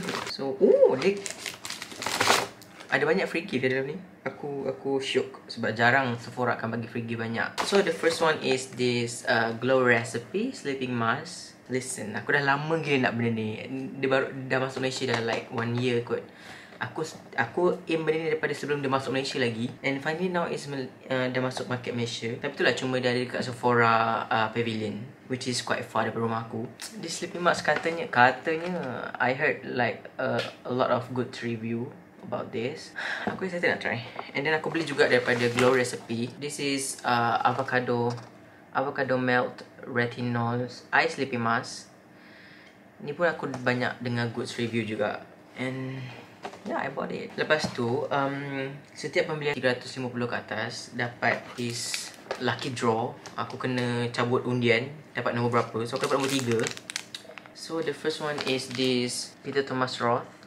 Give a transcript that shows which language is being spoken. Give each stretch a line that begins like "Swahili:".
Malay: So, oh, dia ada banyak free gift dalam ni. Aku syok sebab jarang Sephora akan bagi free gift banyak.
English: So the first one is this glow recipe sleeping mask.
Malay: Listen, aku dah lama gila nak benda ni. Dia baru dah masuk Malaysia dah like 1 year kot. Aku aim benda ni daripada sebelum dia masuk Malaysia lagi.
English: And finally now is
Malay: dah masuk market Malaysia. Tapi itulah cuma dia ada dekat Sephora Pavilion,
English: which is quite far
Malay: daripada rumah aku.
English: This sleeping mask katanya I heard like a lot of good review about this.
Malay: Aku excited nak try. And then aku beli juga daripada Glow Recipe.
English: This is avocado melt retinol eye sleeping mask.
Malay: Ni pun aku banyak dengar good review juga.
English: And yeah, I bought it.
Malay: Lepas tu, setiap pembelian 350 ke atas dapat
English: this lucky draw.
Malay: Aku kena cabut undian dapat nombor berapa. So aku dapat nombor 3.
English: So the first one is this Peter Thomas Roth.